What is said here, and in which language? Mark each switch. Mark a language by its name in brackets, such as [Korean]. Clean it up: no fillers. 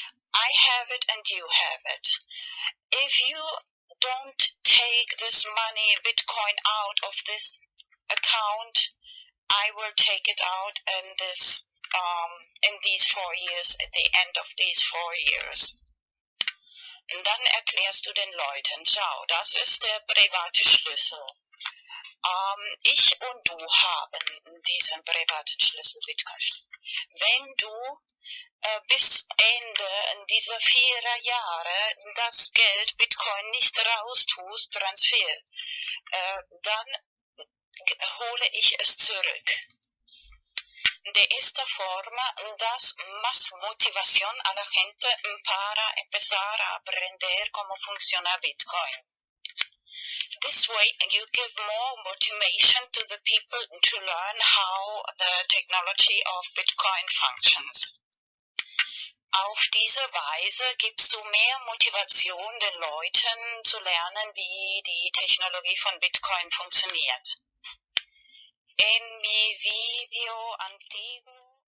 [English] I have it and you have it. If you don't take this money, Bitcoin, out of this account, I will take it out in this in these 4 years, at the end of these 4 years. [German] Und dann erklärst du den Leuten, schau, das ist der private Schlüssel. Ich und du haben diesen privaten Schlüssel, Bitcoin-Schlüssel. Wenn du bis Ende dieser 4 Jahre das Geld Bitcoin nicht raustust, Transfer, dann hole ich es zurück. [Spanish] De esta forma das más motivación a la gente para empezar a aprender cómo funciona Bitcoin. [English] This way, you give more motivation to the people to learn how the technology of Bitcoin functions. [German] Auf diese Weise gibst du mehr Motivation den Leuten zu lernen, wie die Technologie von Bitcoin funktioniert. [Spanish] In mi video antiguo.